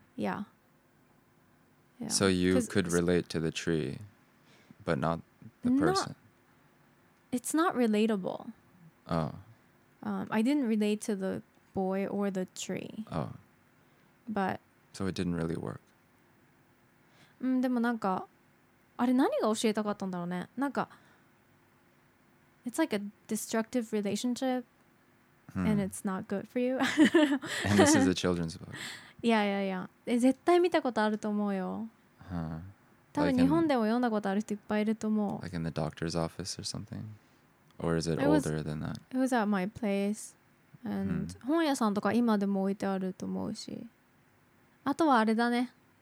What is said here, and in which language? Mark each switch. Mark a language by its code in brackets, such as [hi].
[en] Yeah Yeah. So you could relate to the tree, but not the person. It's not relatable. Oh. I didn't relate to the boy or the tree. Oh. But. So it didn't really work. [ja] でもなんか、あれ何が教えたかったんだろうね。 [en] なんか、it's like a destructive relationship, and it's not good for you. And this is a children's book. [ja] いやいやいや、絶対見たことあると思うよ。 Huh. 多分日本でも読んだことある人いっぱいいると思う。 [en] Like in the doctor's office or something? Or is it older than that? It was at my place. And、hmm. [ja] 本屋さんとか今でも置いてあると思うし。あとはあれだね。